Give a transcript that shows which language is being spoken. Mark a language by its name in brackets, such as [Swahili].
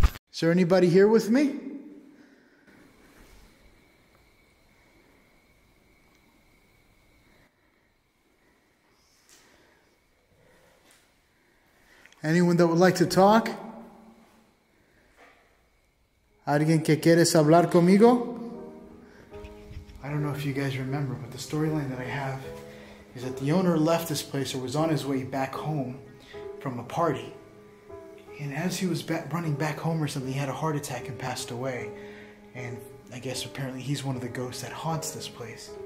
[English] Is there anybody here with me? Anyone that would like to talk? [Spanish] ¿Alguien que quieres hablar conmigo? [English] I don't know if you guys remember, but the storyline that I have is that the owner left this place or was on his way back home from a party. And as he was running back home or something, he had a heart attack and passed away. And I guess apparently he's one of the ghosts that haunts this place.